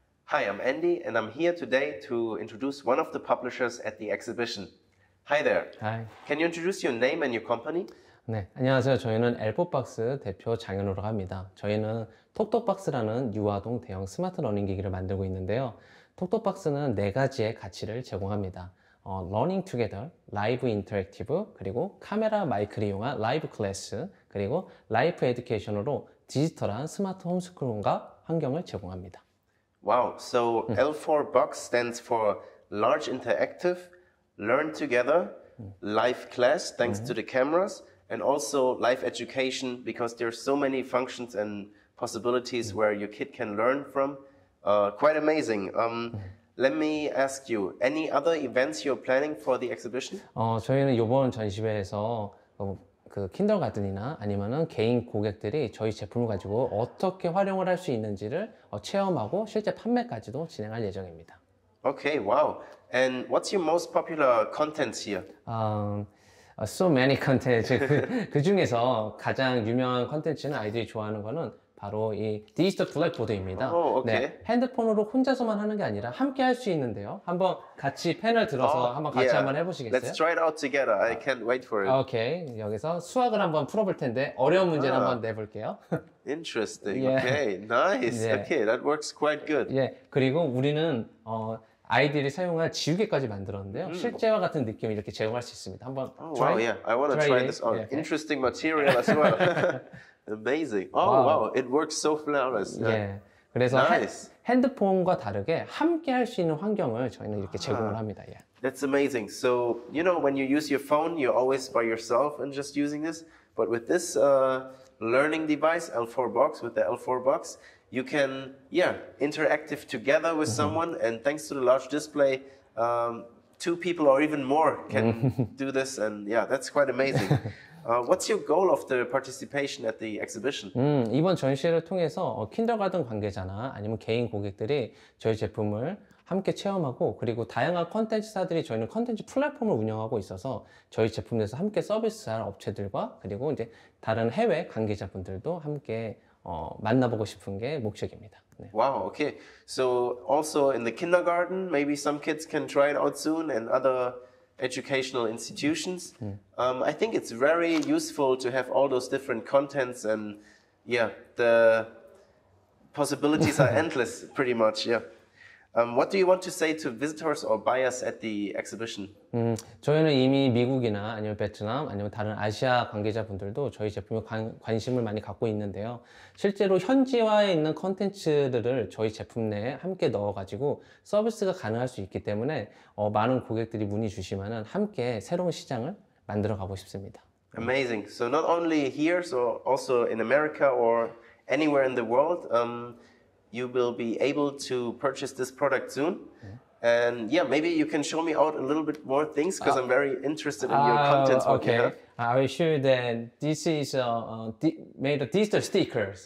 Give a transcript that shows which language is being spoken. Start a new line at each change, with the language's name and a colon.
English: Hi, I'm Andy, and I'm here today to introduce one of the publishers at the exhibition. Hi there. Hi. Can you introduce your name and your company?
Korean: 네, 안녕하세요. 저희는 엘포박스 대표 장현우라고 합니다. 저희는 톡톡박스라는 유아동 대형 스마트 러닝기기를 만들고 있는데요. 톡톡박스는 네 가지의 가치를 제공합니다. Learning Together, Live Interactive, 그리고 카메라 마이크를 이용한 라이브 클래스, 그리고 라이프 에듀케이션으로 디지털한 스마트 홈스쿨과 환경을 제공합니다.
English: Wow, so L4BOX stands for Large Interactive, Learn Together, Live Class, thanks to the cameras, and also Live Education, because there are so many functions and possibilities where your kid can learn from. Quite amazing. Let me ask you, any other events you're planning for the exhibition?
Korean: 저희는 이번 전시회에서 그 킨더가든이나 아니면은 개인 고객들이 저희 제품을 가지고 어떻게 활용을 할 수 있는지를 체험하고 실제 판매까지도 진행할 예정입니다.
English: Okay, wow. And what's your most popular contents here? So many contents.
Korean: 그 중에서 가장 유명한 콘텐츠는 아이들이 좋아하는 거는 바로 이 디지털 블랙보드입니다.
English: Oh, okay.
Korean: 네, 핸드폰으로 혼자서만 하는 게 아니라 함께 할 수 있는데요. 한번 같이 펜을 들어서 한번 해보시겠어요?
English: Let's try it out together. I can't wait for it. Okay.
Korean: 여기서 수학을 한번 풀어볼 텐데 어려운 문제를 한번 내볼게요.
English: Interesting. Yeah. Okay. Nice. Yeah. Okay. That works quite good. 예. Yeah.
Korean: 그리고 우리는 아이들이 사용할 지우개까지 만들었는데요. 실제와 같은 느낌을 이렇게 제공할 수 있습니다. 한번
English: try. Wow. Yeah. I want to try this. Oh, yeah. Interesting material as well. Amazing. Oh, wow. Wow. It works so flawless. Yeah. Yeah.
Korean: 그래서
English: nice.
Korean: 핸드폰과 다르게 함께 할 수 있는 환경을 저희는 이렇게 제공을 합니다.
English: Yeah. That's amazing. So, you know, when you use your phone, you're always by yourself and just using this. But with this learning device, L4BOX, with the L4BOX, you can, yeah, interactive together with someone. And thanks to the large display, two people or even more can do this. And yeah, that's quite amazing. What's your goal of the participation at the exhibition?
Korean: 이번 전시회를 통해서 킨더가든 관계자나 아니면 개인 고객들이 저희 제품을 함께 체험하고 그리고 다양한 콘텐츠사들이 저희는 콘텐츠 플랫폼을 운영하고 있어서 저희 제품에서 함께 서비스할 업체들과 그리고 이제 다른 해외 관계자분들도 함께 만나보고 싶은 게 목적입니다.
English: 네. Wow, okay. So also in the kindergarten, maybe some kids can try it out soon and other educational institutions. I think it's very useful to have all those different contents and yeah, the possibilities are endless pretty much. Yeah. What do you want to say to visitors or buyers at the exhibition?
Korean: 저희는 이미 미국이나 아니면 베트남 아니면 다른 아시아 관계자분들도 저희 제품에 관심을 많이 갖고 있는데요. 실제로 현지화에 있는 콘텐츠들을 저희 제품 내에 함께 넣어가지고 서비스가 가능할 수 있기 때문에 많은 고객들이 문의 주시면은 함께 새로운 시장을 만들어 가고 싶습니다.
English: Amazing. So not only here, so also in America or anywhere in the world. You will be able to purchase this product soon. And yeah, maybe you can show me out a little bit more things because I'm very interested in your contents. Okay. I will show you that this is made of digital stickers.